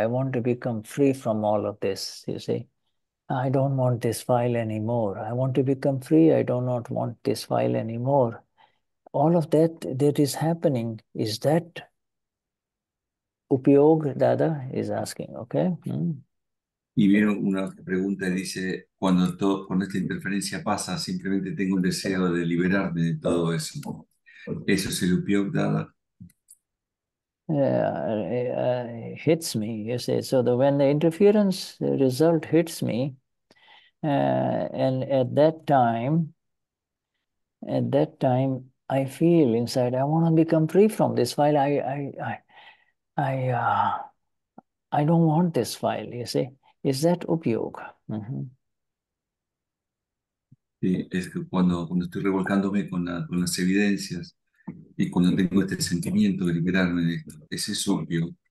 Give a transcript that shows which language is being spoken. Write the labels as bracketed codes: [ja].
[en] I want to become free from all of this, you see. I don't want this file anymore. I want to become free. I do not want this file anymore. All of that that is happening, is that upyog, Dada is asking, okay? [es] Y viene una pregunta y dice, cuando todo, cuando esta interferencia pasa, simplemente tengo un deseo de liberarme de todo eso. ¿Eso es el upyog, Dada? [en] Hits me, you say. So the, when the interference result hits me, and at that time, I feel inside, I want to become free from this while I don't want this file, you see. Is that upyog? [es] Sí, es que cuando estoy revolcándome con las evidencias y cuando tengo este sentimiento de liberarme de esto, ese es upyog.